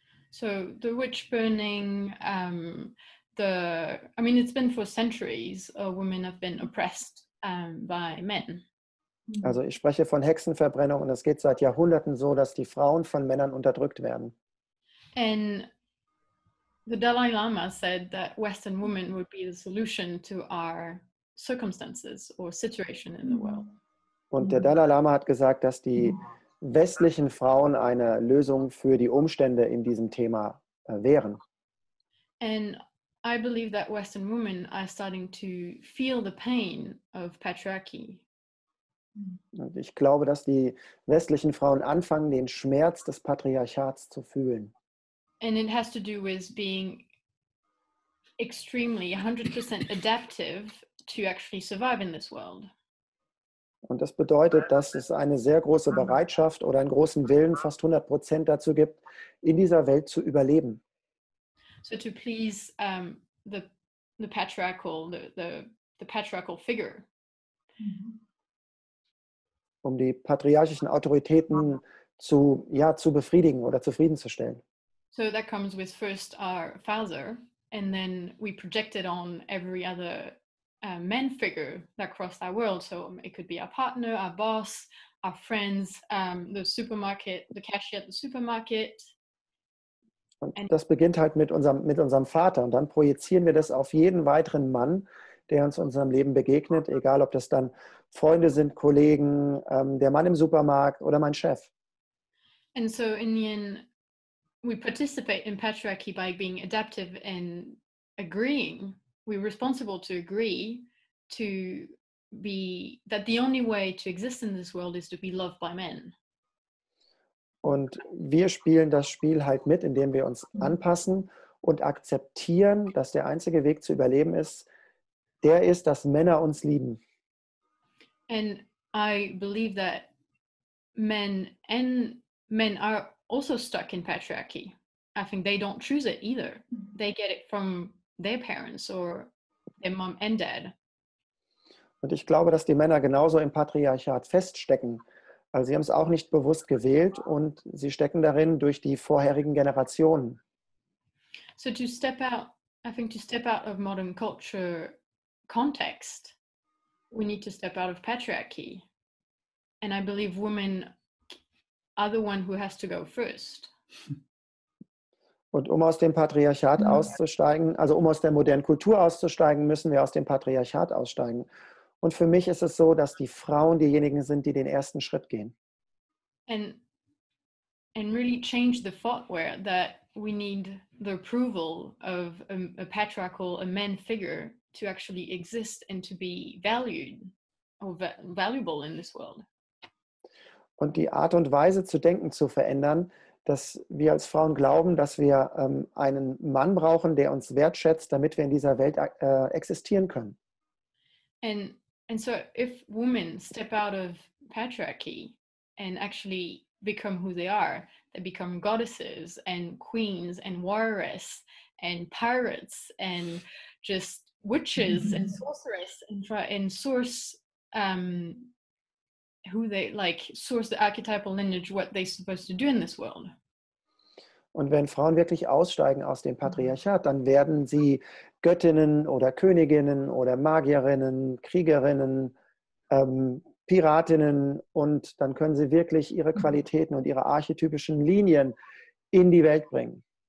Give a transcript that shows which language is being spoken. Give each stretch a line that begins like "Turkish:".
English: So the witch burning, it's been for centuries, women have been oppressed by men.
German: Also ich spreche von Hexenverbrennung und es geht seit Jahrhunderten so, dass die Frauen von Männern unterdrückt werden.
English: And the Dalai Lama said that Western women would be the solution to our circumstances or situation in the world.
German: Und der Dalai Lama hat gesagt, dass die westlichen Frauen eine Lösung für die Umstände in diesem Thema wären.
English: And I believe that Western women are starting to feel the pain of patriarchy.
German: Und ich glaube, dass die westlichen Frauen anfangen, den Schmerz des Patriarchats zu fühlen.
English: And it has to do with being extremely 100% adaptive to actually survive in this world.
German: Und das bedeutet, dass es eine sehr große Bereitschaft oder einen großen Willen, fast 100% dazu gibt, in dieser Welt zu überleben.
English: So to please the patriarchal figure.
German: Um die patriarchischen Autoritäten zu befriedigen oder zufriedenzustellen.
English: So that comes with first our father, and then we project it on every other man figure that crossed our world. So it could be our partner, our boss, our friends, the supermarket, the cashier at the supermarket.
German: Und das beginnt halt mit unserem Vater, und dann projizieren wir das auf jeden weiteren Mann, der uns in unserem Leben begegnet, egal ob das dann Freunde sind, Kollegen, der Mann im Supermarkt oder mein Chef.
English: And so in the end, we participate in patriarchy by being adaptive and agreeing. We're responsible to agree to be that the only way to exist in this world is to be loved by men.
German: Und wir spielen das Spiel halt mit, indem wir uns anpassen und akzeptieren, dass der einzige Weg zu überleben ist, der ist, dass Männer uns lieben.
English: And I believe that men are also stuck in patriarchy. I think they don't choose it either. They get it from their parents or their mom and dad.
German: Und ich glaube, dass die Männer genauso im Patriarchat feststecken. Also sie haben es auch nicht bewusst gewählt, und sie stecken darin durch die vorherigen Generationen.
English: So to step out, I think to step out of modern culture context, we need to step out of patriarchy. And I believe women are the one who has to go first.
German: Und um aus dem Patriarchat auszusteigen, also um aus der modernen Kultur auszusteigen, müssen wir aus dem Patriarchat aussteigen. Und für mich ist es so, dass die Frauen diejenigen sind, die den ersten Schritt gehen.
English: And really change the thought where that we need the approval of a patriarchal, a man figure to actually exist and to be valued or valuable in this world.
German: Und die Art und Weise zu denken zu verändern, dass wir als Frauen glauben, dass wir einen Mann brauchen, der uns wertschätzt, damit wir in dieser Welt existieren können.
English: And so if women step out of patriarchy and actually become who they are, they become goddesses and queens and warriors and pirates and just witches and sorceress and source who they like source the archetypal lineage, what they're supposed to do in this world.
German: Und wenn Frauen wirklich aussteigen aus dem Patriarchat, dann werden sie Göttinnen oder Königinnen oder Magierinnen, Kriegerinnen, Piratinnen, und dann können sie wirklich ihre Qualitäten und ihre archetypischen Linien in die Welt bringen.